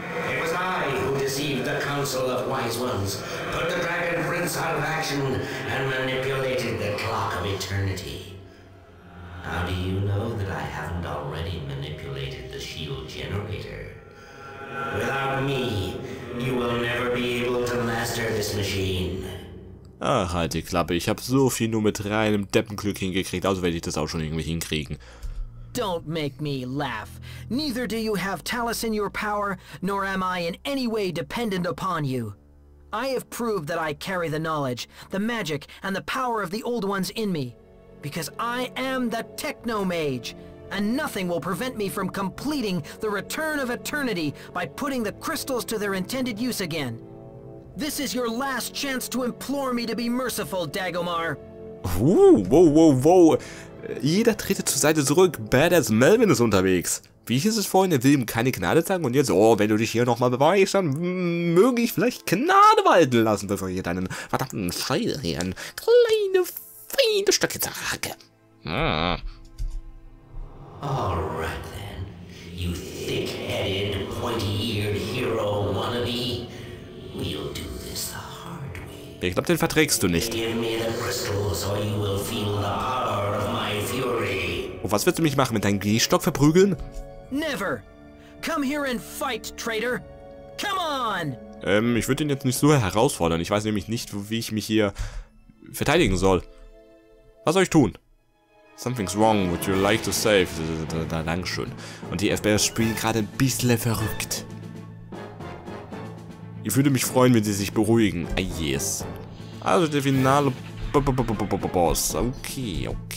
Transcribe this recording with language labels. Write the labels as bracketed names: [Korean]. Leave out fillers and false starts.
[English] It was I who deceived the Council of Wise Ones, put the Dragon Prince out of action, and manipulated the Clock of Eternity. How do you know that I haven't already manipulated the Shield Generator? Without me, you will never be able to master this machine. [German] Ach, halt die Klappe. Ich habe so viel nur mit reinem Deppenglück hingekriegt. Also werde ich das auch schon irgendwie hinkriegen. [English] Don't make me laugh. Neither do you have Talus in your power, nor am I in any way dependent upon you. I have proved that I carry the knowledge, the magic, and the power of the Old Ones in me, because I am the Technomage, and nothing will prevent me from completing the Return of Eternity by putting the crystals to their intended use again. This is your last chance to implore me to be merciful, Dagomar. Whoa. [German] Jeder tretet zur Seite zurück. Badass Melvin ist unterwegs. Wie hieß es vorhin? Er will ihm keine Gnade zeigen und jetzt, oh, wenn du dich hier nochmal beweist, dann möge ich vielleicht Gnade walten lassen, bevor ich deinen verdammten Scheißhirn kleine, feine Stöcke zerhacke. [English] Alright then, you thick-headed, pointy-eared hero wannabe. We'll do this the hard way. [German] Ich glaube, den verträgst du nicht. [English] Give me the crystals or you will feel the power of my fury. [German] Und was willst du mich machen, mit deinem Gehstock verprügeln? [English] Never! Come here and fight, traitor! Come on! [German] Ich würde ihn jetzt nicht so herausfordern. Ich weiß nämlich nicht, wie ich mich hier verteidigen soll. Was soll ich tun? [English] Something's wrong, would you like to save? [German] Na, danke schön. Und die FBS spielen gerade ein bisschen verrückt. Ich würde mich freuen, wenn sie sich beruhigen. [English] Ah, yes. [German] Also der finale Boss. Okay.